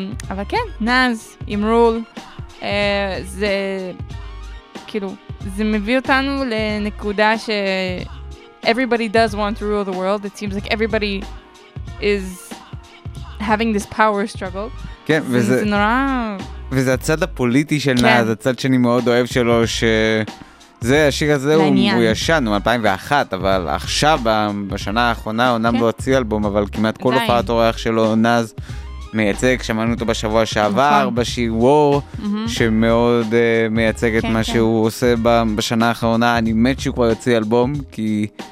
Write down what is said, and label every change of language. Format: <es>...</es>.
<he>אבל כן, נאז, עם רול, זה, כאילו, זה מביא אותנו לנקודה ש...</he> <en>Everybody does want to rule the world. It seems like everybody is having this power struggle.</en> <he>כן, וזה... זה נורא... וזה הצד הפוליטי של נאז, הצד שאני מאוד אוהב שלו, ש... זה, השיר הזה הוא ישן, הוא 2001, אבל עכשיו, בשנה האחרונה, אומנם לא הוציא אלבום, אבל כמעט כל הופעת אורח שלו, נאז מייצג, שמענו אותו בשבוע שעבר, בשיעור, שמאוד מייצג את מה שהוא עושה בשנה האחרונה. אני מת שהוא כבר יוציא אלבום, כי</he>